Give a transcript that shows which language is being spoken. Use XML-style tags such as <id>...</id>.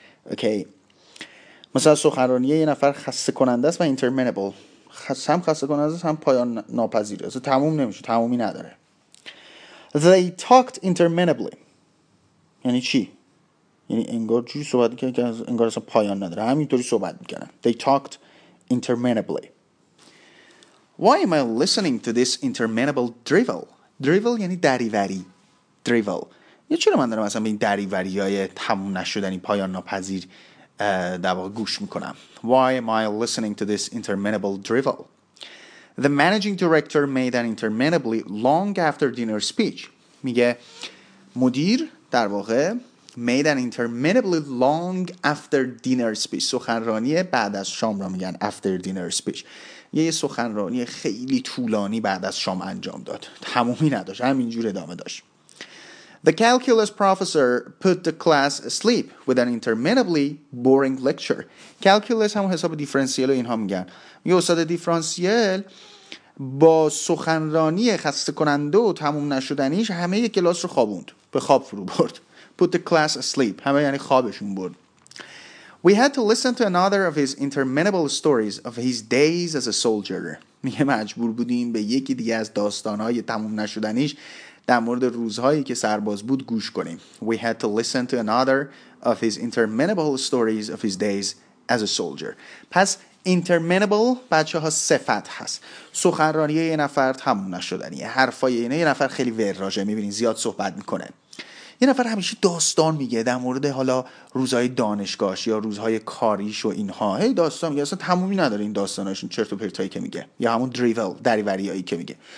<fa>اوکی، مثلا سخنرانی یه نفر خسته کننده است و interminable، هم خسته کننده است هم پایان ناپذیره، اصلا تموم نمیشه، تمومی نداره. they talked interminably یعنی چی؟ یعنی انگار چی صحبت میکنن که انگار اصلا پایان نداره، همینطوری صحبت میکنن.</fa> <en>They talked interminably. Why am I listening to this interminable drivel?</en> <fa>Drivel یعنی دریوری.</fa> <en>Drivel.</en> <fa>یعنی چرا من دارم اصلا به این دریوری های تموم نشدنی، پایان ناپذیر در واقع گوش میکنم؟ Why am I listening to this interminable drivel?</fa> <en>The managing director made an interminably long after dinner speech.</en> <fa>میگه مدیر در واقع made an interminably long after dinner speech، سخنرانی بعد از شام را میگن after dinner speech، یه سخنرانی خیلی طولانی بعد از شام انجام داد، تمومی نداشت، همینجور ادامه داشت.</fa> <en>The calculus professor put the class asleep with an interminably boring lecture.</en> <fa>Calculus هم حساب دیفرانسیل و اینها میگن، یه استاد دیفرانسیل با سخنرانی خسته کننده و تموم نشدنیش همه یه کلاس رو خوابوند، به خواب فرو برد. Put the class asleep. همه یعنی خوابشون برد.</fa> <en>We had to listen to another of his interminable stories of his days as a soldier.</en> <fa>میگه مجبور بودیم به یکی دیگه از داستانهای تموم نشدنیش در مورد روزهایی که سرباز بود گوش کنیم.</fa> <en>We had to listen to another of his interminable stories of his days as a soldier.</en> <fa>پس interminable بچه ها صفت هست، سخنرانی یه نفر تموم نشدنیه، حرفای اینه یه نفر خیلی وراجه، میبینین زیاد صحبت میکنه، یه نفر همیشه داستان میگه در مورد حالا روزهای دانشگاهش یا روزهای کاریش و اینها، هی داستان میگه، اصلا تمومی نداره این داستانشون، چرت و پرتایی که میگه، یا همون دریول دریوریایی که میگه.</fa>